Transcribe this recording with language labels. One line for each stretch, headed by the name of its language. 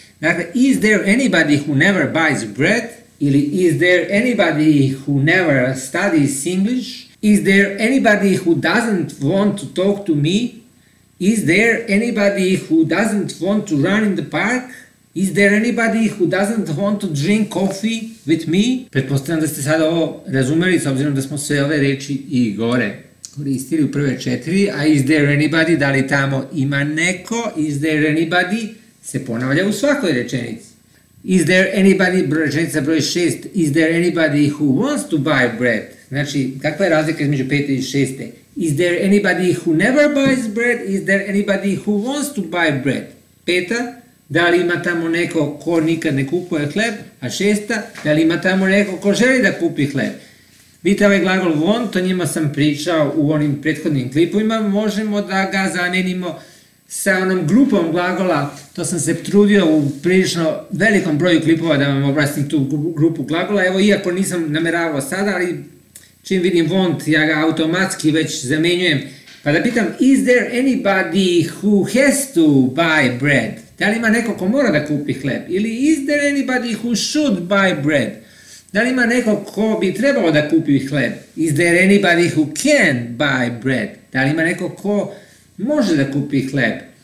English: Dakle, is there anybody who never buys bread? Ili is there anybody who never studies English? Is there anybody who doesn't want to talk to me? Is there anybody who doesn't want to run in the park? Is there anybody who doesn't want to drink coffee with me?
Serbian: Pretpostavljam da ste sada ovo razumeli, s obzirom da smo sve ove reči i gore koristili u prve četiri.
English: A is there anybody,
Serbian: da li tamo ima neko?
English: Is there anybody
Serbian: se ponavlja u svakoj rečenici.
English: Is there anybody,
Serbian: rečenica broj 6,
English: is there anybody who wants to buy bread?
Serbian: Znači, kakva je razlika između 5. i 6.
English: Is there anybody who never buys bread? Is there anybody who wants to buy bread?
Serbian: 5. Da li ima tamo neko ko nikad ne kupuje hleb? A 6. Da li ima tamo neko ko želi da kupi hleb? Vidite ovaj glagol want, o njima sam pričao u onim prethodnim klipovima, možemo da ga zamenimo sa onom grupom glagola, to sam se trudio u prilično velikom broju klipova da vam objasnim tu grupu glagola, evo iako nisam nameravao sada, ali čim vidim want, ja ga automatski već zamenjujem. Pa da pitam,
English: is there anybody who has to buy bread?
Serbian: Da li ima neko ko mora da kupi hleb? Ili
English: is there anybody who should buy bread?
Serbian: Da li ima neko ko bi trebalo da kupi hleb?
English: Is there anybody who can buy bread?
Serbian: Da li ima neko ko može da kupi hleb?